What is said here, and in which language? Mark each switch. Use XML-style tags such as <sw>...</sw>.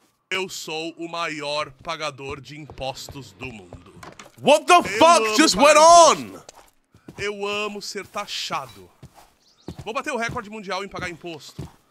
<pt>Eu sou o maior pagador de impostos do mundo.</pt> <en>What the fuck just went on?</en> <pt>Eu amo ser taxado. Vou bater o recorde mundial em pagar imposto.</pt>